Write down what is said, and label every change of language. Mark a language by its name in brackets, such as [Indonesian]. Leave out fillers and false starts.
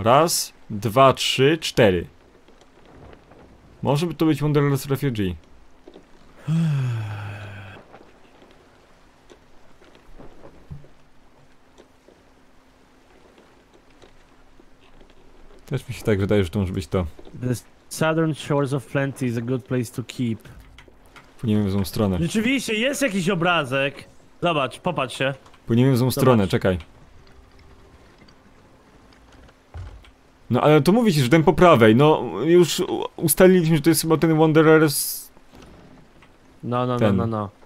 [Polish] Raz, dwa, trzy, cztery. Może to być Wanderer's Refugee. Też mi się tak wydaje, że to może być to. [English] The Southern Shores of Plenty is a good place to keep. [Polish] Płyniemy w złą stronę. Rzeczywiście, jest jakiś obrazek. Zobacz, popatrz się. Płyniemy w złą stronę, czekaj. No ale to mówi się, że ten po prawej, no już ustaliliśmy, że to jest chyba ten Wanderers... No.